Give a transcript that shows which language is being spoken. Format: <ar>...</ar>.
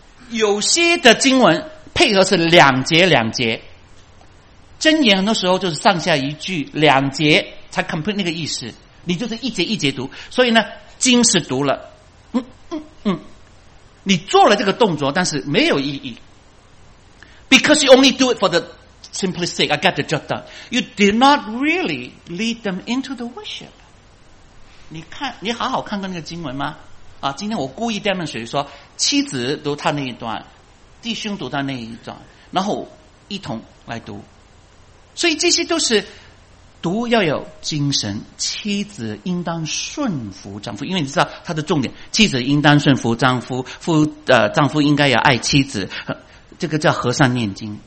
<zh>有些的经文配合是两节两节，箴言很多时候就是上下一句两节才 complete 那个意思，你就是一节一节读。所以呢，经是读了，你做了这个动作，但是没有意义。</zh> <en>Because you only do it for the simple sake, I got the job done. You did not really lead them into the worship.</en> <zh>你看，你好好看过那个经文吗？啊，今天我故意 demonstrate 说，妻子读他那一段，弟兄读他那一段，然后一同来读。所以这些都是读要有精神，妻子应当顺服丈夫，因为你知道他的重点，妻子应当顺服丈夫，丈夫应该要爱妻子，这个叫和尚念经。</zh>